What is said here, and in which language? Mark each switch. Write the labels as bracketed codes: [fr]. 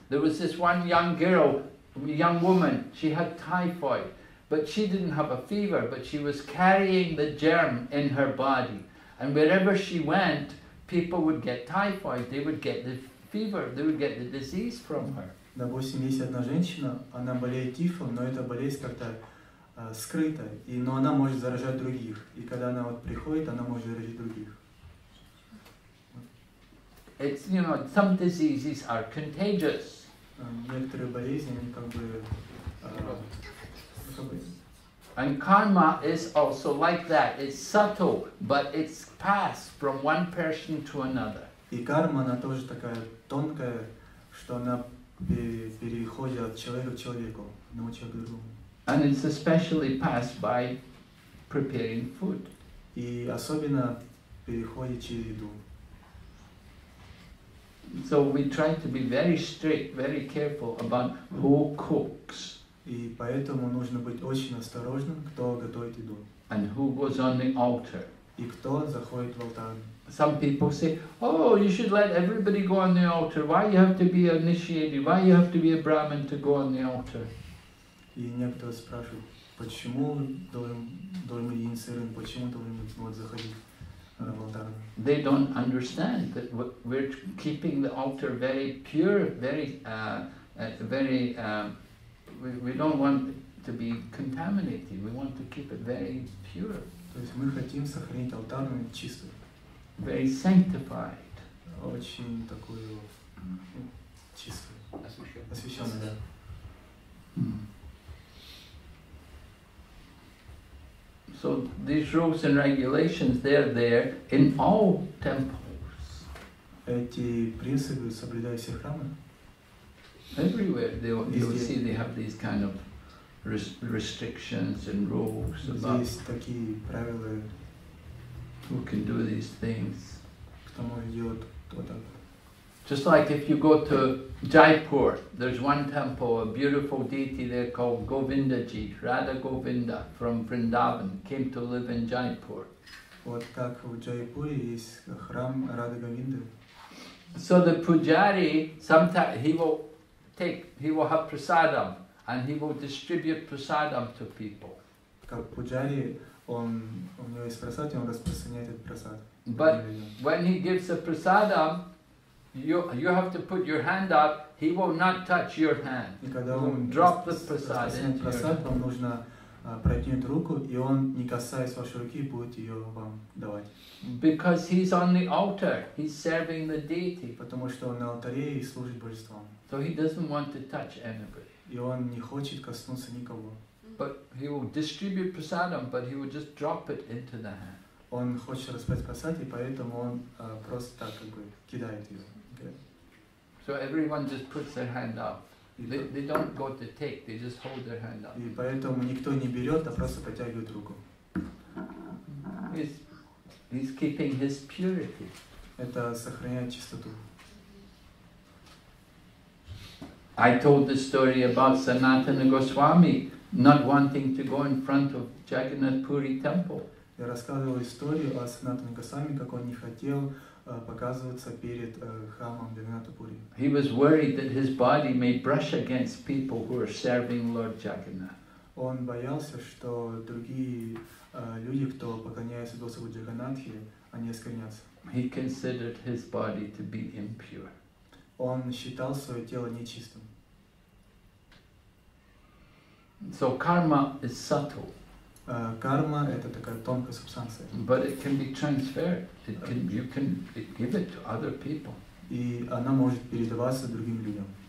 [en] There was this one young girl, young woman, she had typhoid. But she didn't have a fever, but she was carrying the germ in her body. And wherever she went, people would get typhoid, they would get the fever, they would get the disease from her. [ru] Допустим, есть одна женщина, она болеет тифом, но эта болезнь как-то скрыта, но она может заражать других. И когда она вот приходит, она может заразить других. [en] It's, you know, some diseases are contagious. [ru] Некоторые болезни, они как бы... [en] And karma is also like that. It's subtle, but it's passed from one person to another. [ru] И карма она тоже такая тонкая, что она переходит от человека к человеку, но человек другому. [en] And it's especially passed by preparing food. [ru] И особенно переходит через еду. [en] So we try to be very strict, very careful about who cooks. [ru] И поэтому нужно быть очень осторожным, кто готовит еду. [en] And who goes on the altar? [ru] И кто заходит в алтарь? [en] Some people say, "Oh, you should let everybody go on the altar. Why you have to be initiated? Why you have to be a brahmin to go on the altar?" [ru] И некоторые спрашивают, почему должен быть инициирован, почему должен быть заходить в алтарь? [en] They don't understand that we're keeping the altar very pure, very, very. We don't want to be contaminated. We want to keep it very pure. [ru] То есть мы хотим сохранить алтарь чистым. [en] Very sanctified. [ru] Очень такую чистую, освященную. [en] So these rules and regulations, they're there in all temples. [ru] Эти принципы соблюдаются в храмах. [en] Everywhere they you'll see they have these kind of restrictions and rules about [ru] такие правила. [en] Who can do these things? [ru] Кто может делать то так? [en] Just like if you go to Jaipur, there's one temple, a beautiful deity there called Govindaji, Radha Govinda from Vrindavan, came to live in Jaipur. [ru] Вот так в Джайпуре есть храм Радха Говинды. [en] So the pujari sometimes he will have prasadam and he will distribute prasadam to people. [ru] Как пуджари он у него есть прасад, он распространяет этот прасад. [en] But when he gives a prasadam, You have to put your hand up. He will not touch your hand. Drop the prasad into your hand. [ru] Вам нужно протянуть руку, и он не касаясь вашей руки будет ее вам давать. [en] Because he's on the altar, he's serving the deity. [ru] Потому что он на алтаре и служит божеством. [en] So he doesn't want to touch anybody. [ru] И он не хочет коснуться никого. [en] But he will distribute prasadam, but he will just drop it into the hand. [ru] Он хочет распять прасад, и поэтому он просто так как бы кидает его. [en] So everyone just puts their hand up. They don't go to take, they just hold their hand up. [ru] И поэтому никто не берет, а просто подтягивает руку. [en] He's keeping his purity. [ru] Это сохраняет чистоту. [en] I told the story about Sanatana Goswami not wanting to go in front of Jagannath Puri temple. [ru] Я рассказывал историю о Санатане Госвами, как он не хотел показываться перед храмом Джагнатха Пури. [en] He was worried that his body may brush against people who are serving Lord Jagannath. [ru] Он боялся, что другие люди, кто поклоняется Господу Джагнатхе, они осквернятся. [en] He considered his body to be impure. [ru] Он считал свое тело нечистым. [en] So karma is subtle. [ru] Карма это такая тонкая субстанция. [en] But it can be transferred. It can, you can give it to other people. [ru] И она может передаваться другим людям.